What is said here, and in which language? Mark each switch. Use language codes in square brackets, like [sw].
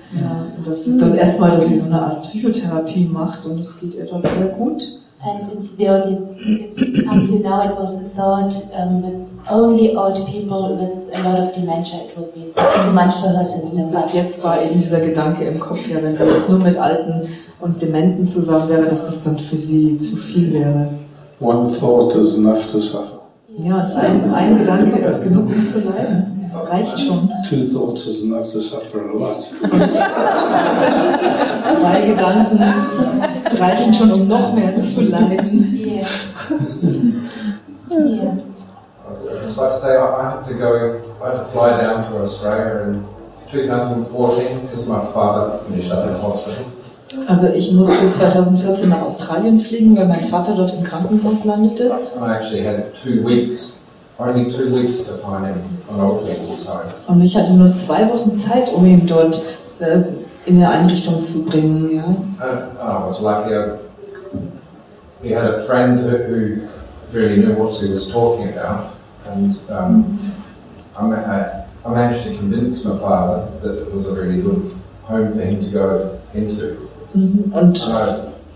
[de] Ja, das ist das erste Mal, dass sie so eine Art Psychotherapie macht und es geht ihr dort sehr gut. [en] And it's the only up to now it was the thought with only old people with a lot of dementia it would be too much for her system. [de] Bis jetzt war eben dieser Gedanke im Kopf, ja, wenn sie jetzt nur mit Alten und Dementen zusammen wäre, dass das dann für sie zu viel wäre. [en] One thought is enough to suffer. [de] Ja, ein Gedanke ist genug, um zu leiden. Reicht schon. [en] Two thoughts is enough to suffer a lot. [de] Zwei Gedanken reichen schon, um noch mehr zu leiden. [en] Just like to say, I had to go. I had to fly down to Australia in 2014 because my father finished up in hospital. [de] Also ich musste 2014 nach Australien fliegen, weil mein Vater dort im Krankenhaus landete. [en] I actually had 2 weeks. Only 2 weeks to find him on open side. [de] Und ich hatte nur 2 Wochen Zeit, um ihn dort in eine Einrichtung zu bringen. Ja. [en] I was lucky. He had a friend who really knew what he was talking about. And I managed to convince my father that it was a really good home for him to go into. Mm-hmm.